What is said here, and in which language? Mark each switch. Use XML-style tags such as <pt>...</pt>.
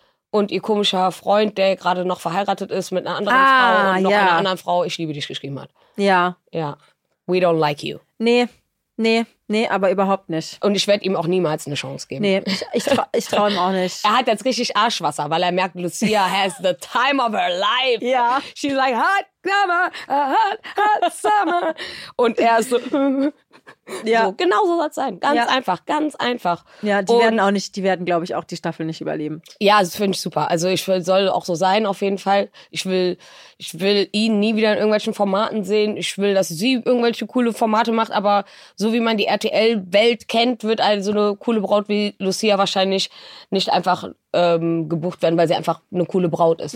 <de>und ihr komischer Freund, der gerade noch verheiratet ist mit einer anderen Frau und noch einer anderen Frau, ich liebe dich, geschrieben hat. Ja.</de> <en>Ja. We don't like you.</en> <de>Nee, aber überhaupt nicht. Und ich werde ihm auch niemals eine Chance geben. Nee, ich trau ihm auch nicht. Er hat jetzt richtig Arschwasser, weil er merkt,</de> <en>Lucia has the time of her life.</en> <de>Ja.</de> <en>She's like, hot summer, hot summer.</en> <de>Und er ist so, ja. So, genau so soll es sein. Ganz einfach. Ja, die werden, glaube ich, auch die Staffel nicht überleben. Ja, das finde ich super. Also ich will, soll auch so sein, auf jeden Fall. Ich will ihn nie wieder in irgendwelchen Formaten sehen. Ich will, dass sie irgendwelche coole Formate macht. Aber so wie man die RTL-Welt kennt, wird eine so eine coole Braut wie Lucia wahrscheinlich nicht einfach gebucht werden, weil sie einfach eine coole Braut ist.</de>